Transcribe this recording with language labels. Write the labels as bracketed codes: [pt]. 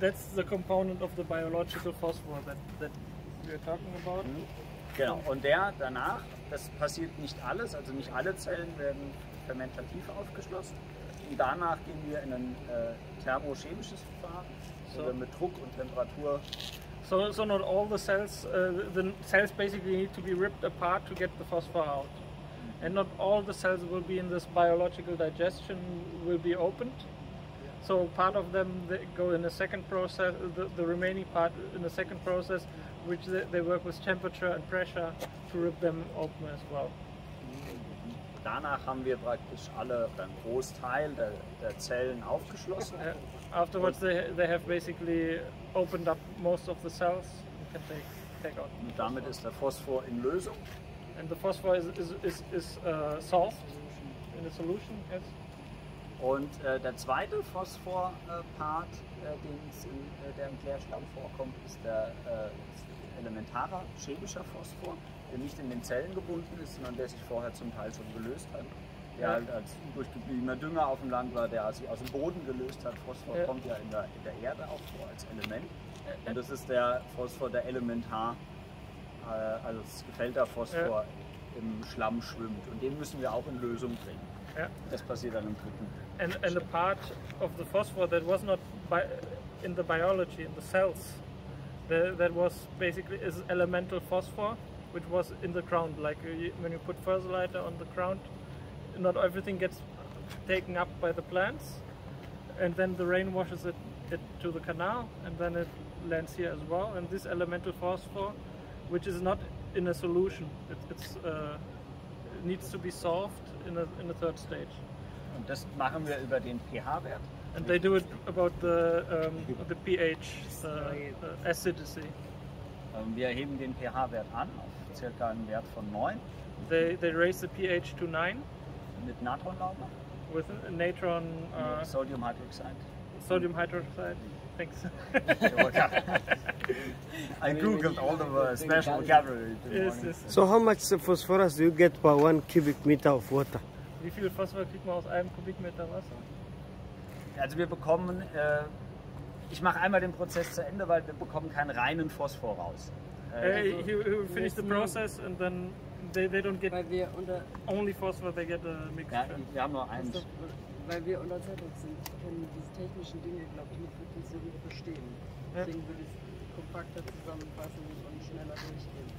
[en] That's the component of the biological phosphor that we're talking about. Mm-hmm. [de] Genau, und der danach, das passiert nicht alles, also nicht alle Zellen werden fermentativ aufgeschlossen. Und danach gehen wir in ein thermochemisches Verfahren, so mit Druck und Temperatur. [en] So not all the cells basically need to be ripped apart to get the phosphor out. And not all the cells will be in this biological digestion will be opened. So part of them they go in a second process, the remaining part in a second process, which they work with temperature and pressure to rip them open as well. [de] Danach haben wir praktisch alle beim Großteil der Zellen aufgeschlossen. [en] Afterwards they have basically opened up most of the cells and can take out. [de] Und damit ist der Phosphor in Lösung. [en] And the phosphor is solved in a solution, yes. [de] Und der zweite Phosphor-Part, der im Klärschlamm vorkommt, ist der elementarer chemischer Phosphor, der nicht in den Zellen gebunden ist, sondern der sich vorher zum Teil schon gelöst hat. Der halt als durchgebliebener Dünger auf dem Land war, der sich aus dem Boden gelöst hat. Phosphor kommt ja in der Erde auch vor als Element. Und das ist der Phosphor, der elementar, also das gefällte Phosphor, im Schlamm schwimmt. Und den müssen wir auch in Lösung bringen. [en] Yeah. [de] Das passiert dann im dritten. [en] And a part of the phosphor that was not in the biology, in the cells, that was basically is elemental phosphor, which was in the ground. Like when you put fertilizer on the ground, not everything gets taken up by the plants, and then the rain washes it to the canal, and then it lands here as well. And this elemental phosphor, which is not in a solution, it needs to be solved in a third stage. [de] Und das machen wir über den pH-Wert. [en] And they do it about the pH, acidity. [de] Wir heben den pH-Wert an auf circa einen Wert von 9. [en] They raise the pH to 9. [de] Mit Natronlauge. [en] With natron. Sodium hydroxide. Sodium hydroxide. Thanks. I googled all the special vocabulary. So how much phosphorus do you get per 1 cubic meter of water? [de] Wie viel Phosphor kriegt man aus einem Kubikmeter Wasser? Also wir bekommen, ich mache einmal den Prozess zu Ende, weil wir bekommen keinen reinen Phosphor raus. He finished the process and then they don't get only Phosphor, they get a mixture. Ja, wir haben nur eins. Weil wir unter Zeitdruck sind, können diese technischen Dinge, glaube ich, nicht wirklich so gut verstehen. Deswegen würde ich es kompakter zusammenfassen und schneller durchgehen.